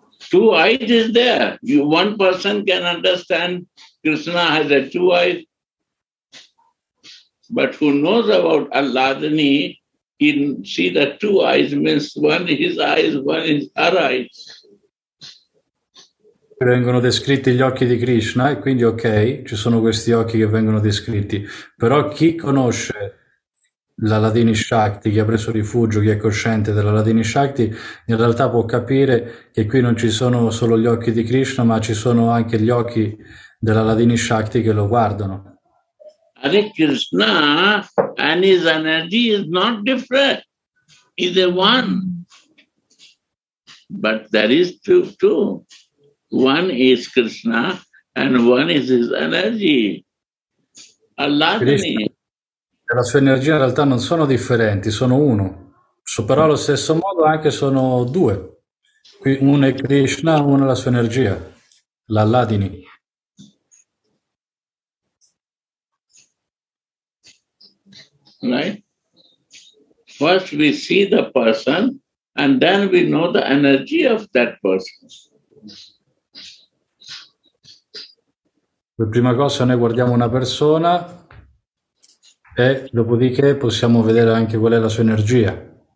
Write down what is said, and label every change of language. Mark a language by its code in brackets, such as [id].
[en] Two eyes is there. You, one person can understand Krishna has a two eyes. But who knows about Alladini, he see the two eyes means one his eyes, one is her eyes. [it] Vengono descritti gli occhi di Krishna e quindi ok, ci sono questi occhi che vengono descritti, però chi conosce la Ladini Shakti, chi ha preso rifugio, chi è cosciente della Ladini Shakti, in realtà può capire che qui non ci sono solo gli occhi di Krishna, ma ci sono anche gli occhi della Ladini Shakti che lo guardano. [en] Hare Krishna and his energy is not different, is a one, but there is two. One is Krishna and one is his energy. Alladini. [it] La sua energia in realtà non sono differenti, sono uno. Però allo stesso modo anche sono due. Uno è Krishna, uno è la sua energia. L'Alladini. [en] Right? First we see the person and then we know the energy of that person. [it] Per prima cosa noi guardiamo una persona e dopodiché possiamo vedere anche qual è la sua energia.